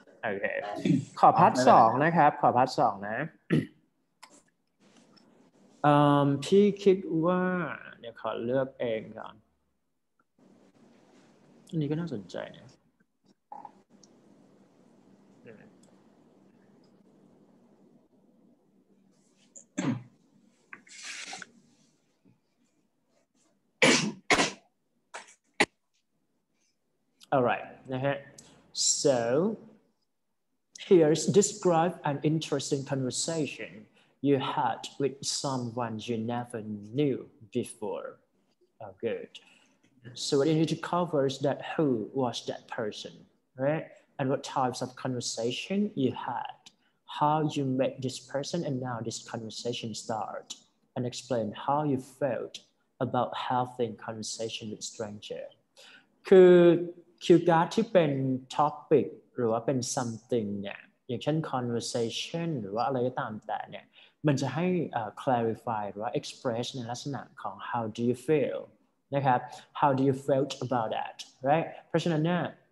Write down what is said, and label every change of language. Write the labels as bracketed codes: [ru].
[th] โอเคขอพาร์ทสองนะครับขอพาร์ทสองนะพี่คิดว่าเดี๋ยวขอเลือกเองก่อนอันนี้ก็น่าสนใจนะ [en] Alright, uh-huh. So here's describe an interesting conversation you had with someone you never knew before. Oh, good. So what you need to cover is that who was that person, right? And what types of conversation you had, how you met this person and now this conversation start, and explain how you felt about having conversation with stranger. Could... [th] คิวการ์ดที่เป็นท็อปิกหรือว่าเป็น something เนี่ยอย่างเช่น conversation หรือว่าอะไรก็ตามแต่เนี่ยมันจะให้clarify หรือว่า express ในลักษณะของ [en] how do you feel [th] นะครับ [en] how do you felt about that right [th] เพราะฉะนั้นเนี่ย